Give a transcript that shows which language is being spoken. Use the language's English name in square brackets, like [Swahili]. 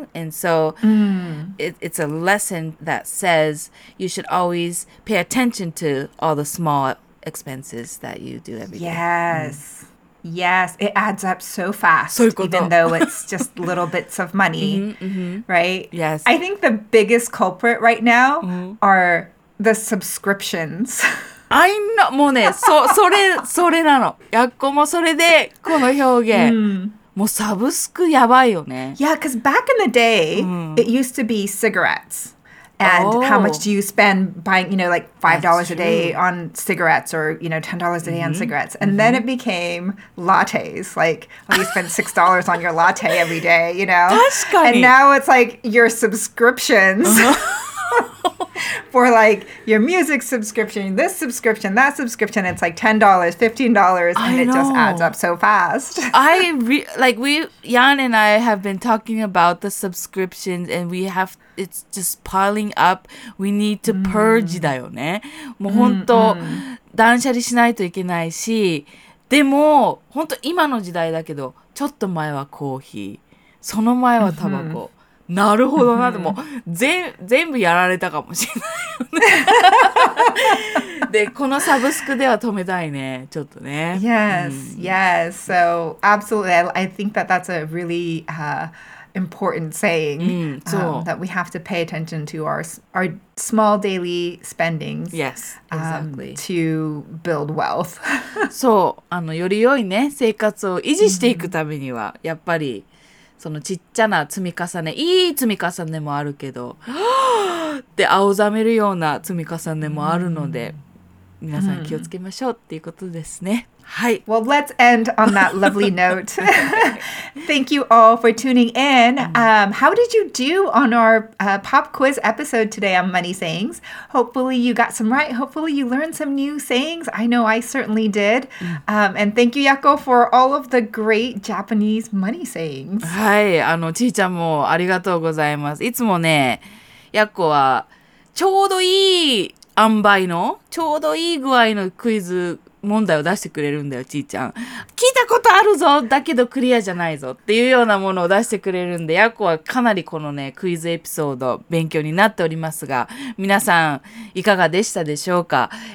[English] And so it's a lesson that says you should always pay attention to all the small expenses that you do every yes. day. Yes. Mm. Yes. It adds up so fast, [Japanese] そういうこと。 [English] even though it's just little bits of money, right? Yes. I think the biggest culprit right now are the subscriptions. I know, [Japanese] もうね、それなの。やっこもそれで、この表現。もうサブスクやばいよね。 [English] Yeah, because back in the day, it used to be cigarettes. And how much do you spend buying, you know, like $5 a day on cigarettes or, you know, $10 a day on cigarettes. And then it became lattes. Like, you spend $6 on your latte every day, you know? [Japanese] 確かに。 [English] And now it's like your subscriptions. For like your music subscription, this subscription, that subscription, it's like $10, $15, and it just adds up so fast. Jan and I have been talking about the subscriptions, and it's just piling up. We need to purge [Japanese] だよね。もう本当、断捨離しないといけないし、でも本当今の時代だけど、ちょっと前はコーヒー、その前はタバコ。なるほどな。でも、全部やられたかもしれないよね。で、このサブスクでは止めたいね。ちょっとね。 [English] Yes, yes. So, absolutely. I think that that's a really, important saying. [Japanese] そう。 [English] That we have to pay attention to our small daily spendings. Yes, exactly. To build wealth. [Japanese] そう。より良いね、生活を維持していくためには、やっぱり、そのちっちゃな積み重ね、いい積み重ねもあるけど、って青ざめるような積み重ねもあるので、皆さん気をつけましょうっていうことですね。はい。 [English] Well, let's end on that lovely note. Thank you all for tuning in. How did you do on our pop quiz episode today on money sayings? Hopefully you got some right. Hopefully you learned some new sayings. I know I certainly did. And thank you, Yako, for all of the great Japanese money sayings. [Japanese] はい。ちーちゃんもありがとうございます。いつもね、やっこはちょうどいい塩梅の、ちょうどいい具合のクイズ問題を出してくれるんだよ、ちーちゃん。聞いたことあるぞ、だけどクリアじゃないぞっていうようなものを出してくれるんで、ヤコはかなりこのね、クイズエピソード勉強になっておりますが、皆さんいかがでしたでしょうか？